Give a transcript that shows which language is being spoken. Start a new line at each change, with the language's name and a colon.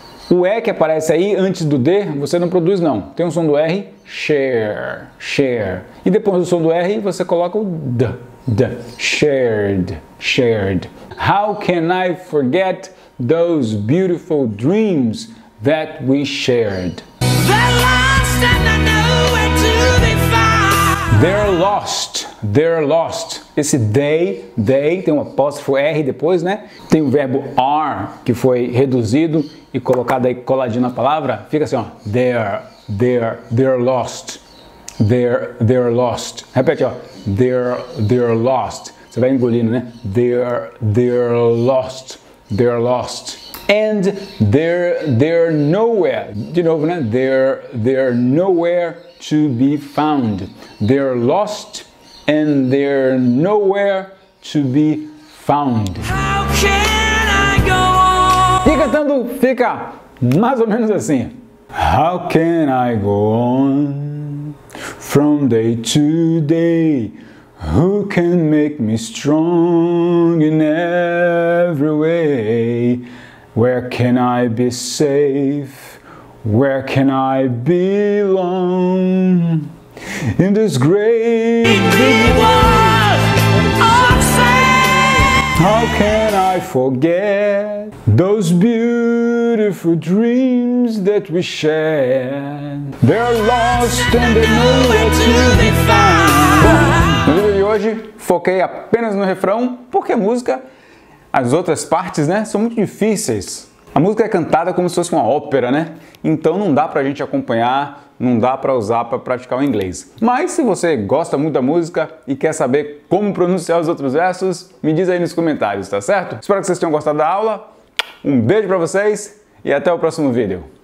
Portuguese: O E que aparece aí antes do D, você não produz, não. Tem um som do R, share, share. E depois do som do R, você coloca o D, D, shared, shared.
English: How can I forget those beautiful dreams that we shared? They're lost and I know where to be found. They're lost, they're lost.
Portuguese: Esse they, tem um apóstrofo R depois, né? Tem o verbo are, que foi reduzido e colocado aí coladinho na palavra. Fica assim, ó.
English: They're lost. They're lost.
Portuguese: Repete, ó.
English: They're lost.
Portuguese: Você vai engolindo, né?
English: They're lost. They're lost. And they're nowhere.
Portuguese: De novo, né?
English: They're nowhere to be found. They're lost and they're nowhere to be found. How can I go on?
Portuguese: E cantando fica mais ou menos assim.
English: How can I go on from day to day? Who can make me strong in every way? Where can I be safe? Where can I belong? In this great big world of sadness. How can I forget those beautiful dreams that we shared? They're lost and they know where to be found.
Portuguese: No vídeo de hoje, foquei apenas no refrão, porque a música, as outras partes, né, são muito difíceis. A música é cantada como se fosse uma ópera, né? Então não dá pra gente acompanhar, não dá pra usar pra praticar o inglês. Mas se você gosta muito da música e quer saber como pronunciar os outros versos, me diz aí nos comentários, tá certo? Espero que vocês tenham gostado da aula, um beijo pra vocês e até o próximo vídeo.